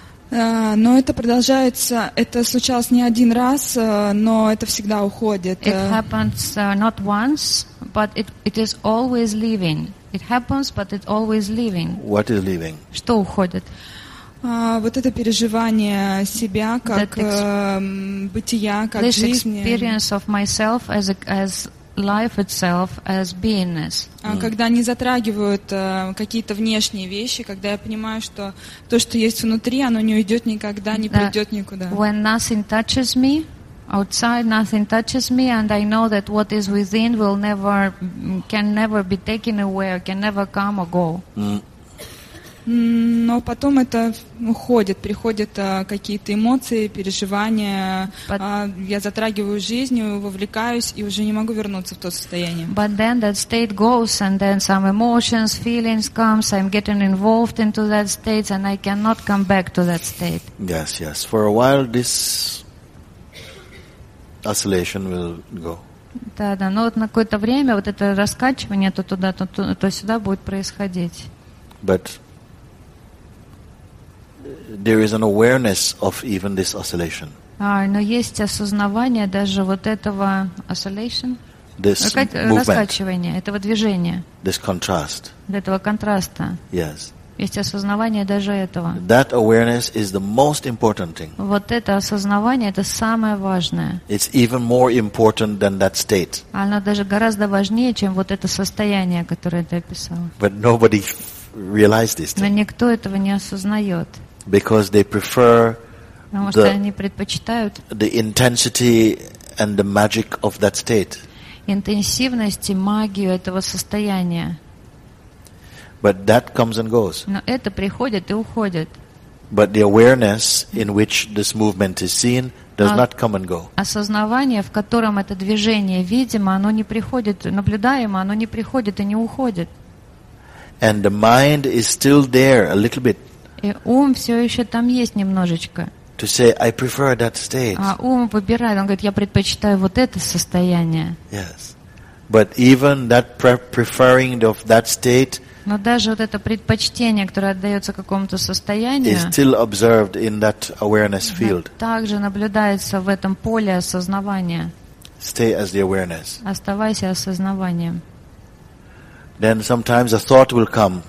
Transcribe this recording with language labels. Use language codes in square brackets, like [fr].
[ru] Но это продолжается, это случалось не один раз, но это всегда уходит. [en] It happens not once, but it is always leaving. It happens, but it always leaving. What is leaving? [ru] Что уходит? Вот это переживание себя как бытия, как [en] this [ru] жизни. [en] This experience of myself as life itself as beingness. [ru] Когда они затрагивают какие-то внешние вещи, когда я понимаю, что то, что есть внутри, оно не уйдет никогда, не придет никуда. [en] When nothing touches me outside, nothing touches me, and I know that what is within will never can never be taken away, can never come or go. [ru] Но потом это уходит, приходят какие-то эмоции, переживания. But, я затрагиваю жизнь, вовлекаюсь и уже не могу вернуться в то состояние. [en] But then that state goes, and then some emotions, feelings comes. I'm getting involved into that state, and I cannot come back to that state. Yes, yes. For a while, this oscillation will go. [ru] Да. Но вот на какое-то время вот это раскачивание то туда, то сюда будет происходить. [en] But there is an awareness of even this oscillation. [ru] Но есть осознавание даже вот этого oscillation. [en] This [ru] раскачивание, этого движения. [en] This contrast. [ru] Этого контраста. [en] Yes. [ru] Есть осознавание даже этого. [en] That awareness is the most important thing. [ru] Вот это осознавание это самое важное. [en] It's even more important than that state. [ru] Оно даже гораздо важнее, чем вот это состояние, которое ты описал. [en] But nobody realizes this. [ru] Но никто этого не осознает. [en] Because they prefer the intensity and the magic of that state. [ru] Интенсивность и магию этого состояния. [en] But that comes and goes. [ru] Но это приходит и уходит. [en] But the awareness in which this movement is seen does not come and go. [ru] Осознавание, в котором это движение видимо, оно не приходит, наблюдаемо, оно не приходит и не уходит. [en] And the mind is still there a little bit. [ru] И ум все еще там есть немножечко. [en] To say, I prefer that state. [ru] А ум выбирает, он говорит, я предпочитаю вот это состояние. [en] Yes, but even that preferring of that state. [ru] Но даже вот это предпочтение, которое отдается какому-то состоянию, [en] is still observed in that awareness field. [ru] Также наблюдается в этом поле осознавания. [en] Stay as the awareness. [ru] Оставайся осознаванием. [en] Then sometimes a thought will come.